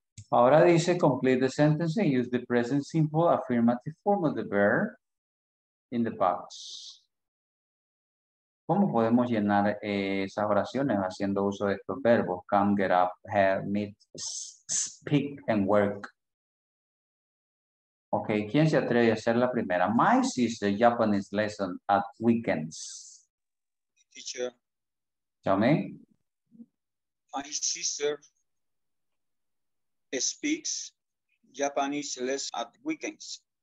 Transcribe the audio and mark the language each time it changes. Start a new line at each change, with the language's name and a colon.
Spanish: Ahora dice,
English: complete the sentence and use the present simple affirmative form of the verb in the box.
Spanish: ¿Cómo podemos llenar esas oraciones haciendo uso de estos verbos?
English: Come, get up, have, meet, speak, and work.
Spanish: Ok, ¿quién se atreve a hacer la primera?
English: My sister, Japanese lesson at weekends. Teacher. Tell me. My sister speaks Japanese less at weekends.